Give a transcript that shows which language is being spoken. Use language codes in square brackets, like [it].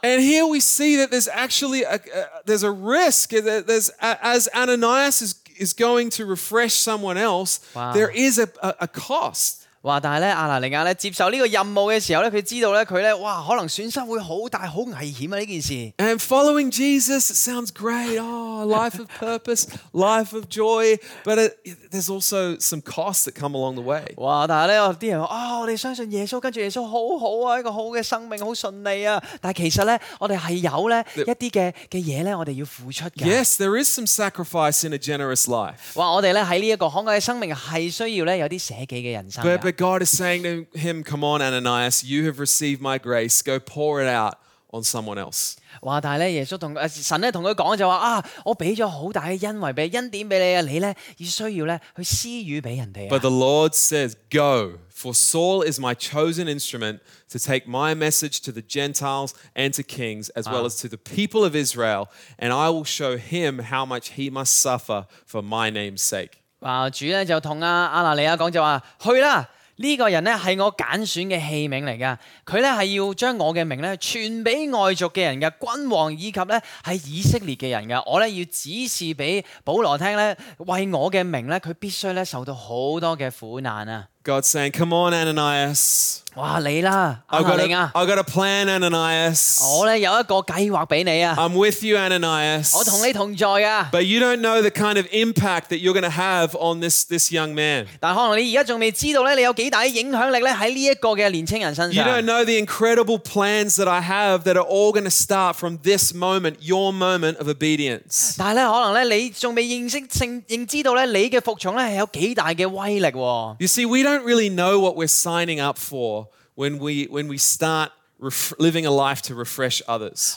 [en] And here we see that there's actually there's a risk that there's as Ananias is going to refresh someone else, there is a cost. 哇！ [yue] 但係咧，亞拿尼亞咧接受呢個任務嘅時候咧，佢知道咧，佢咧，哇，可能損失會好大、好危險啊！呢件事。 [en] And following Jesus sounds great. Oh, life of purpose, life of joy. But there's also some costs that come along the way. [yue] 哇！但係咧，啲人話：哦，我哋相信耶穌，跟住耶穌好好啊，一個好嘅生命，好順利啊。但係其實咧，我哋係有咧一啲嘅嘢咧，我哋要付出嘅。 [en] Yes, there is some sacrifice in a generous life. 哇！ [yue] 我哋咧喺呢一個慷慨嘅生命係需要咧有啲舍己嘅人生。 [en] God is saying to him, come on, Ananias, you have received my grace. Go pour it out on someone else. [yue] 哇！但系咧，耶稣同神咧同佢讲就话啊，我俾咗好大嘅恩惠俾恩典俾你啊，你咧要需要咧去施予俾人哋啊。 [en] But the Lord says, go, for Saul is my chosen instrument to take my message to the Gentiles and to kings, as well as to the people of Israel, and I will show him how much he must suffer for my name's sake. 哇！ [yue] 主咧就同亚拿尼亚讲就话去啦。呢、这個人咧係我揀選嘅器皿嚟噶，佢咧係要將我嘅名咧傳俾外族嘅人嘅君王以及咧係以色列嘅人噶，我咧要指示俾保羅聽咧，為我嘅名咧佢必須咧受到好多嘅苦難啊！ [en] God saying, "Come on, Ananias." [yue] 哇，你啦，亞拿尼亞。 [en] I got a plan, Ananias. [yue] 我咧有一個計劃俾你啊。 [en] I'm with you, Ananias. [yue] 我同你同在啊。 [en] But you don't know the kind of impact that you're going to have on this young man. [yue] 但可能你而家仲未知道咧，你有幾大嘅影響力咧喺呢一個嘅年輕人身上。 [en] You don't know the incredible plans that I have that are all going to start from this moment, your moment of obedience. [yue] 但系咧，可能咧你仲未認知到咧你嘅服從咧係有幾大嘅威力。 [en] You see, we don't really know what we're signing up for when we start living a life to refresh others.